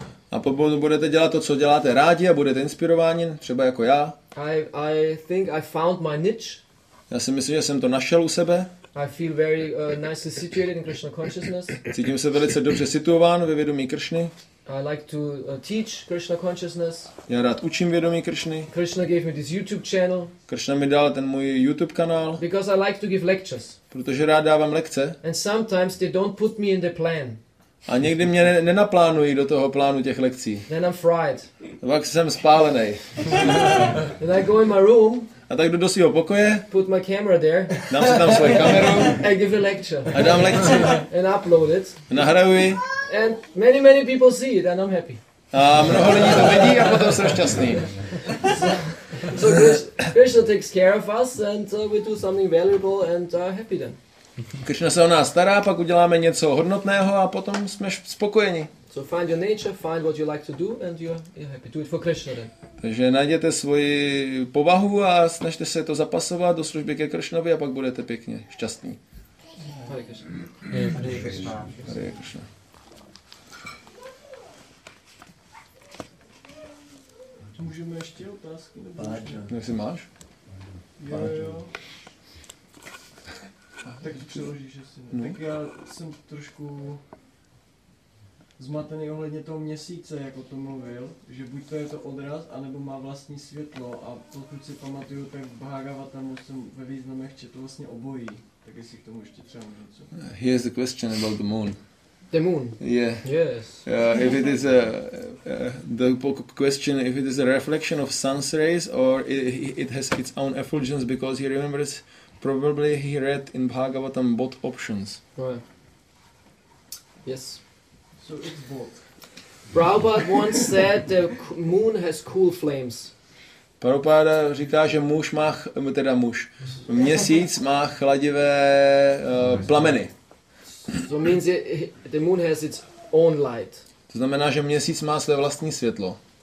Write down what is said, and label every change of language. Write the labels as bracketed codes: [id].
[cs] A potom budete dělat to, co děláte rádi a budete inspirováni, třeba jako já. [en] I think I found my niche. [cs] Já si myslím, že jsem to našel u sebe. [en] I feel very nicely situated in Krishna consciousness. [cs] Cítím se velice dobře situován ve vědomí Kršny. [en] I like to teach Krishna consciousness. [cs] Já rád učím vědomí Kršny. [en] Krishna gave me this YouTube channel. [cs] Krishna mi dal ten můj YouTube kanál. [en] Because I like to give lectures. [cs] Protože rád dávám lekce. [en] And sometimes they don't put me in the plan. [cs] A někdy mě nenaplánují do toho plánu těch lekcí. [en] Then I'm fried. [cs] Pak jsem spálený. [en] And I go in my room. [cs] A tak jdu do svýho pokoje. [en] Put my camera there. [cs] Dám si tam svoji kameru. [en] I give a lecture. [cs] A dám lekci. [en] And upload it. [cs] Nahraju ji. [en] And many people see it and I'm happy. [cs] A mnoho lidí to vidí a potom jsem šťastný. [en] So Krishna takes care of us and we do something valuable and happy then. [cs] Krishna se o nás stará, pak uděláme něco hodnotného a potom jsme spokojeni. [en] So find your nature, find what you like to do and you're happy. Do it for Krishna then. [cs] Takže najděte svoji povahu a snažte se to zapasovat do služby ke Krishnovi a pak budete pěkně šťastní. [sa] Hare Krishna. [cs] Můžeme ještě otázky nebo ne? Jestli máš? Jo. Tak ti přeložíš, jestli ne. Tak já jsem trošku zmatený ohledně toho měsíce, jak o tom mluvil, že buď to je to odraz, anebo má vlastní světlo. A pokud si pamatuju, tak v Bhagavatamu jsem ve významech četl vlastně obojí. Tak jestli k tomu ještě třeba můžu něco. [en] Here's the question about the moon. The moon. Yeah. Yes. If it is a the question, if it is a reflection of sun's rays or it has its own effulgence, because he remembers, probably he read in Bhagavatam both options. Right. Yes. So it's both. Prabhupada once said the moon has cool flames. [cs] Prabhupada říká, že muž má, teda muž, měsíc má chladivé plameny. [en] So means it, the moon has its own light. [cs] To znamená, že měsíc má své vlastní světlo.